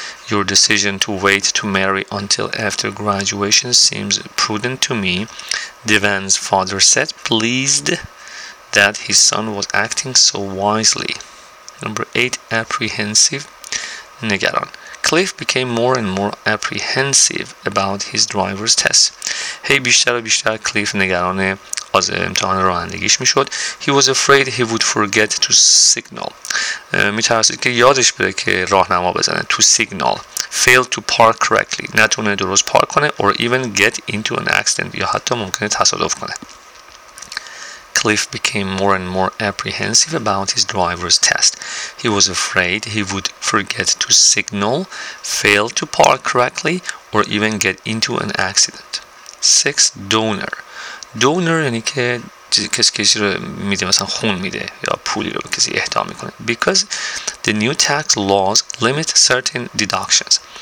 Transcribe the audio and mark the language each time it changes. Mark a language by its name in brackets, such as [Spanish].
[English] Your decision to wait to marry until after graduation seems prudent to me, Devan's father said, pleased that his son was acting so wisely. Number 8, apprehensive, نگران. Cliff became more and more apprehensive about his driver's test. [Persian] هی بیشتر و بیشتر کلیف نگران از امتحان رانندگیش میشد. [English] He was afraid he would forget to signal. [Persian] میترسید که یادش بره که راهنما بزنه. [English] To signal. Failed to park correctly. [Persian] نتونه درست پارک کنه. [English] Or even get into an accident. [Persian] یا حتی ممکنه تصادف کنه. [English] Cliff became more and more apprehensive about his driver's test. He was afraid he would forget to signal, fail to park correctly, or even get into an accident. 6. Donor. [Persian] Donor یعنی که کسی رو میده، مثلا خون میده یا پولی رو به کسی اهدا میکنه. [English] Because the new tax laws limit certain deductions.